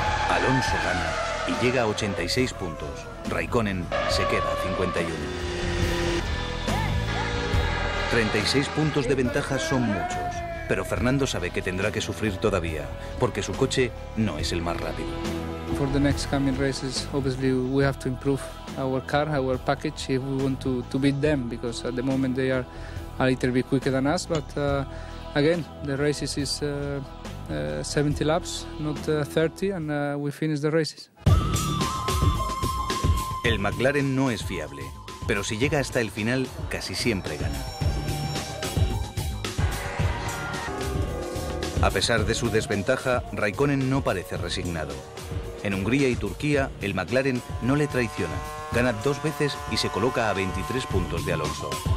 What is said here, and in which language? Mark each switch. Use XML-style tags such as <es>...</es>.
<es>Alonso gana y llega a 86 puntos. Raikkonen se queda a 51. 36 puntos de ventaja son muchos, pero Fernando sabe que tendrá que sufrir todavía, porque su coche no es el más rápido.</es> <en>For the next coming races, obviously we have to improve our car, our package, if we want to beat them, because at the moment they are a little bit quicker than us. But again, the races is 70 laps, not 30, and we finish the races.</en> <es>El McLaren no es fiable, pero si llega hasta el final, casi siempre gana. A pesar de su desventaja, Raikkonen no parece resignado. En Hungría y Turquía, el McLaren no le traiciona. Gana dos veces y se coloca a 23 puntos de Alonso.</es>